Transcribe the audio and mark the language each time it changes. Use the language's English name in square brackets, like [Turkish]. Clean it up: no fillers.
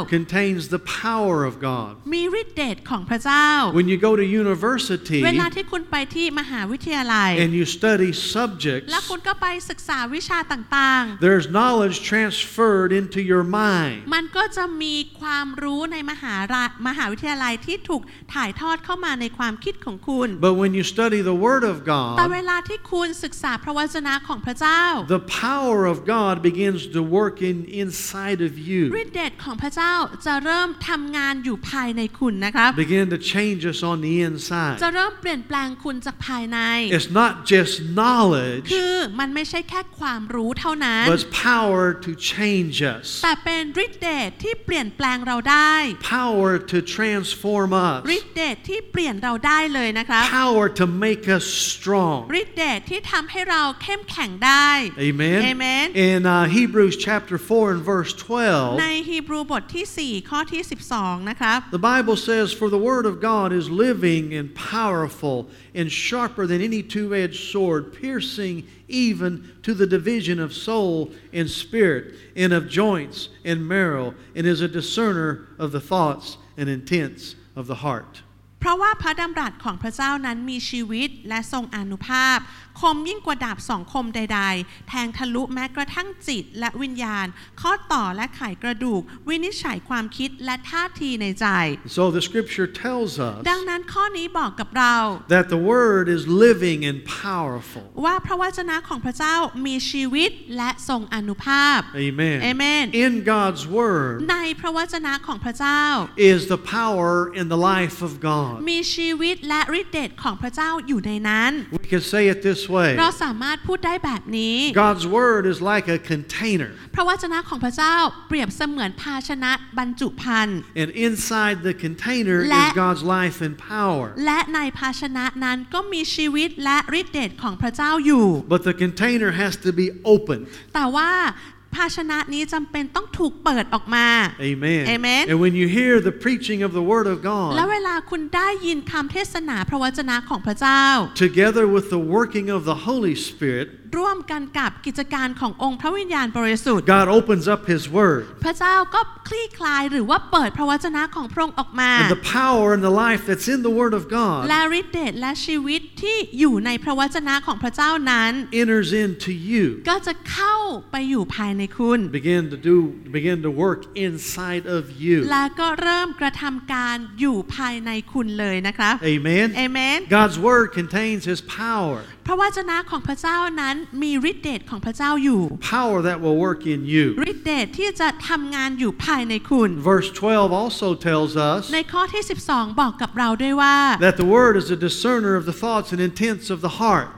[English] contains the power of God. [Thai] มีฤทธิ์เดชของพระเจ้า [English] When you go to university [Thai] เวลาที่คุณไปที่มหาวิทยาลัย [English] and you study subjects [Thai] แล้วคุณก็ไปศึกษาวิชาต่าง [English] ๆ There's knowledge transferred into your mind [Thai] มันก็จะมีความรู้ในมหาวิทยาลัยที่ถูกถ่ายทอดเข้ามาในความคิดของคุณ [English] But when you study the word of God [Thai] แต่เวลาที่คุณศึกษาพระวจนะของพระเจ้า [English] The power of God begins to work inside of you [Thai] ฤทธิ์เดชของพระเจ้าจะเริ่มทำงานอยู่ภายในคุณนะครับ [English] Begin to change us on the inside [Thai] จะเริ่มเปลี่ยนแปลงคุณจากภายใน [English] It's not just knowledge [Thai] คือมันไม่ใช่แค่ความรู้เท่านั้น [English] But power to change us [Thai] แต่เป็นฤทธิ์เดชที่เปลี่ยนแปลงเราได้ [English] power to transform us [Thai] ฤทธิ์เดชที่เปลี่ยนเราได้เลยนะครับ [English] power to make us strong [Thai] ฤทธิ์เดชที่ทำให้เราเข้มแข็งได้ [English] amen amen in Hebrews chapter 4 and verse 12 [Thai] ในฮีบรูบทที่4ข้อที่12นะครับ [English] the bible says for the word of god is living and powerful and sharper than any two-edged sword piercing even to the division of soul and spirit and of joints and marrow and is a discerner of the thoughts and intents of the heart [Thai] เพราะว่าพระดำรัสของพระเจ้านั้นมีชีวิตและทรงอานุภาพคมยิ่งกว่าดาบสองคมใดๆแทงทะลุแม้กระทั่งจิตและวิญญาณข้อต่อและไขกระดูกวินิจฉัยความคิดและท่าทีในใจ [English] So the scripture tells us [Thai] ดังนั้นข้อนี้บอกกับเรา [English] that the word is living and powerful [Thai] ว่าพระวจนะของพระเจ้ามีชีวิตและทรงอนุภาพ [English] Amen Amen In God's word [Thai] ในพระวจนะของพระเจ้า [English] is the power in the life of God [Thai] มีชีวิตและฤทธิ์เดชของพระเจ้าอยู่ในนั้น [English] We can say it this [Thai] เราสามารถพูดได้แบบนี้ [English] God's word is like a container [Thai] พระวจนะของพระเจ้าเปรียบเสมือนภาชนะบรรจุภัณฑ์ [English] And inside the container is God's life and power [Thai] และในภาชนะนั้นก็มีชีวิตและฤทธิ์เดชของพระเจ้าอยู่ [English] But the container has to be opened [Thai] แต่ว่าภาชนะนี้จำเป็นต้องถูกเปิดออกมา [English] Amen. Amen. And when you hear the preaching of the word of God, [Thai] แล้วเวลาคุณได้ยินคำเทศนาพระวจนะของพระเจ้า [English] together with the working of the Holy Spirit. [Thai] ร่วมกันกับกิจการขององค์พระวิญญาณบริสุทธิ์ [English] God opens up His Word [Thai] พระเจ้าก็คลี่คลายหรือว่าเปิดพระวจนะของพระองค์ออกมา [English] The power and the life that's in the Word of God [Thai] และฤทธิ์เดชและชีวิตที่อยู่ในพระวจนะของพระเจ้านั้น [English] enters into you [Thai] ก็จะเข้าไปอยู่ภายในคุณ [English] begin to work inside of you [Thai] และก็เริ่มกระทำการอยู่ภายในคุณเลยนะครับ [English] Amen Amen God's Word contains His power [Thai] พระวจนะของพระเจ้านั้นมีฤทธิ์เดชของพระเจ้าอยู่ [English] Power that will work in you [Thai] ฤทธิ์เดชที่จะทำงานอยู่ภายในคุณ [English] Verse 12 also tells us [Thai] ในข้อที่12บอกกับเราด้วยว่า [English] That the word is a discerner of the thoughts and intents of the heart